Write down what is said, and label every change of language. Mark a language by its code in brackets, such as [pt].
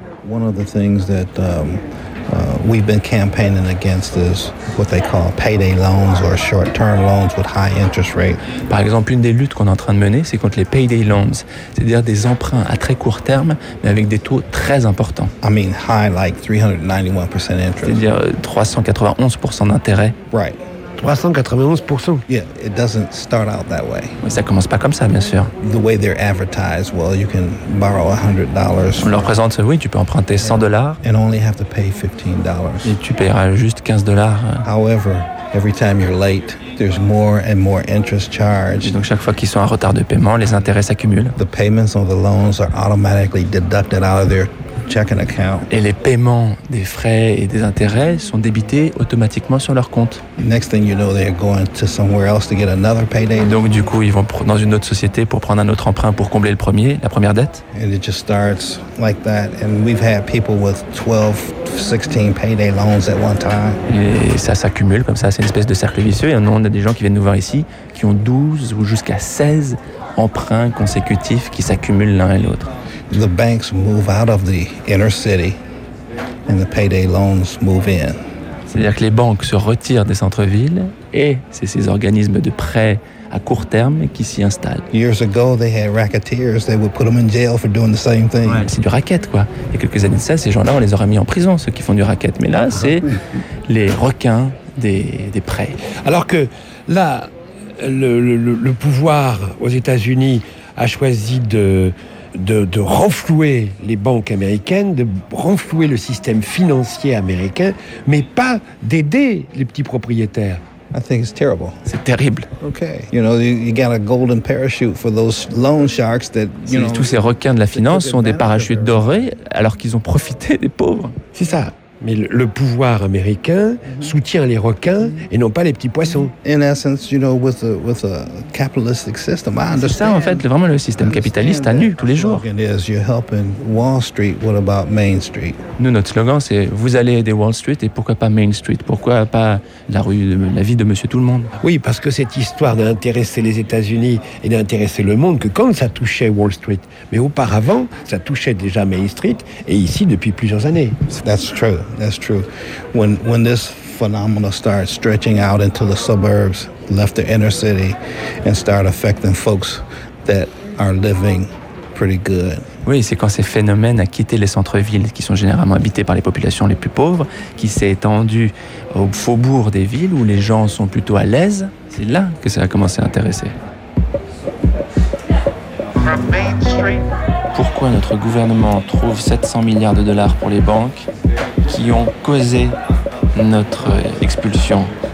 [en] One of the things that we've been campaigning against is what they call payday loans or short-term loans with high interest rates. [fr] Par exemple, une des luttes qu'on est en train de mener, c'est contre les payday loans, c'est-à-dire des emprunts à très court terme, mais avec des taux très importants. [en] I mean, high like 391% interest. [fr] C'est-à-dire 391% d'intérêt. [en] Right. 391%. Yeah, it doesn't start out that way. [fr] Ça commence pas comme ça, bien sûr. [en] The way they're advertised, well, you can borrow $100. [fr] On leur présente, oui, tu peux emprunter $100. [en] And only have to pay $15. [fr] Et tu paieras juste $15. [en] However, every time you're late, there's more and more interest charged. [fr] Donc chaque fois qu'ils sont en retard de paiement, les intérêts s'accumulent. [en] The payments on the loans are automatically deducted out of their checking account. [fr] Et les paiements des frais et des intérêts sont débités automatiquement sur leur compte. [en] Next thing you know, they're going to somewhere else to get another payday. [fr] Donc du coup, ils vont dans une autre société pour prendre un autre emprunt pour combler la première dette. [en] And it just starts like that, and we've had people with 12, 16 payday loans at one time. [fr] Et ça s'accumule comme ça, c'est une espèce de cercle vicieux. Et on a des gens qui viennent nous voir ici qui ont 12 ou jusqu'à 16 emprunts consécutifs qui s'accumulent l'un et l'autre. [en] The banks move out of the inner city and the payday loans move in. [fr] C'est-à-dire que les banques se retirent des centres-villes et c'est ces organismes de prêts à court terme qui s'y installent. [en] Years ago they had racketeers, they would put them in jail for doing the same thing. [fr] Ouais, c'est du racket quoi. Il y a quelques années de ça, ces gens-là on les aurait mis en prison, ceux qui font du racket, mais là c'est les requins des prêts. Alors que là le pouvoir aux États-Unis a choisi de renflouer les banques américaines, de renflouer le système financier américain, mais pas d'aider les petits propriétaires. [en] I think it's terrible. [fr] C'est terrible. [en] Okay. You know, you got a golden parachute for those loan sharks that, you know. [fr] Tous ces requins de la finance sont des parachutes dorés alors qu'ils ont profité des pauvres. C'est ça. Mais le pouvoir américain soutient les requins et non pas les petits poissons. [en] In essence, you know, with a capitalistic system, I understand. [fr] C'est ça, en fait, vraiment le système capitaliste à nu tous les jours. [en] Is you're helping Wall Street, what about Main Street? [fr] Nous, notre slogan, c'est vous allez aider Wall Street et pourquoi pas Main Street? Pourquoi pas la rue, la vie de Monsieur Tout le Monde? Oui, parce que cette histoire d'intéresser les États-Unis et d'intéresser le monde, que quand ça touchait Wall Street, mais auparavant, ça touchait déjà Main Street et ici depuis plusieurs années. [en] That's true. That's true. When this phenomenon starts stretching out into the suburbs, left the inner city, and start affecting folks that are living pretty good. [fr] Oui, c'est quand ces phénomènes a quitté les centres-villes, qui sont généralement habités par les populations les plus pauvres, qui s'est étendu au faubourg des villes où les gens sont plutôt à l'aise. C'est là que ça a commencé à intéresser. [en] From Main Street. [fr] Pourquoi notre gouvernement trouve 700 milliards de dollars pour les banques qui ont causé notre expulsion?